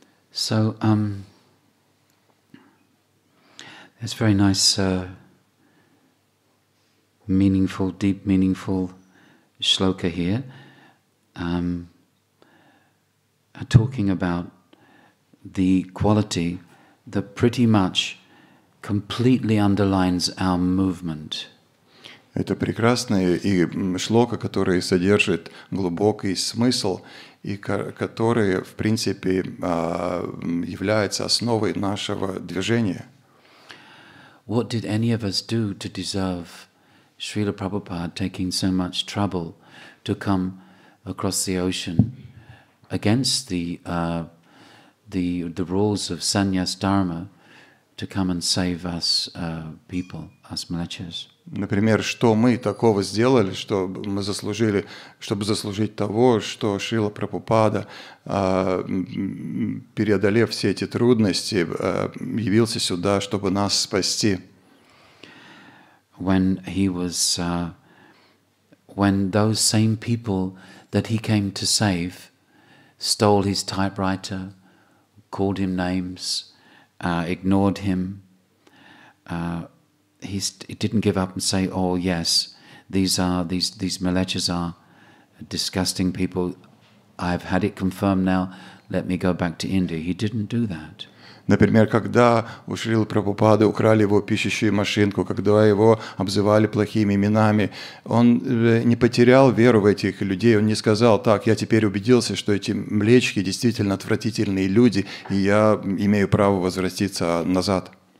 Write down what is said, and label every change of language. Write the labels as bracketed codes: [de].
[en] So, that's very nice, meaningful, deep meaningful shloka here, talking about the quality that pretty much completely underlines our movement. [ru] Это прекрасная и шлока, которая содержит глубокий смысл и который в принципе является основой нашего движения. [en] What did any of us do to deserve Srila Prabhupada taking so much trouble to come across the ocean against the rules of sannyas dharma to come and save us people, us mlechas. [ru] Например, что мы такого сделали, чтобы мы заслужили, чтобы заслужить того, что Шрила Прабхупада, преодолев все эти трудности, явился сюда, чтобы нас спасти. [en] When he was, when those same people that he came to save stole his typewriter, called him names, ignored him, he didn't give up and say, "Oh yes, these malechas are disgusting people. I've had it confirmed now. Let me go back to India." He didn't do that. [ru] Например, когда у Шрилы Прабхупады украли его пишущую машинку, когда его обзывали плохими именами, он не потерял веру в этих людей, он не сказал: «Так, я теперь убедился, что эти млечки действительно отвратительные люди, и я имею право возвратиться назад».